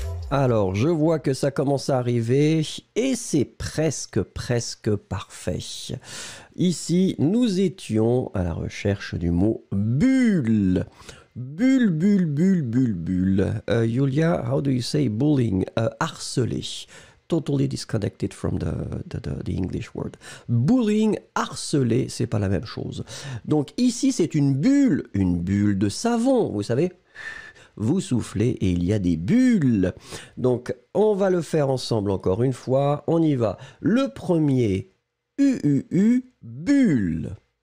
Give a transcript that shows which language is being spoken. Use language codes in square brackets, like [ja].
[fr] Alors, je vois que ça commence à arriver et c'est presque, presque parfait. Ici, nous étions à la recherche du mot bulle. Bulle, bulle, bulle, bulle, bulle. [en] Julia, how do you say bullying? Harceler. Totally disconnected from the English word. [fr] Bullying, harceler, c'est pas la même chose. Donc ici, c'est une bulle de savon, vous savez. Vous soufflez et il y a des bulles. Donc, on va le faire ensemble encore une fois. On y va. Le premier, U, bulle.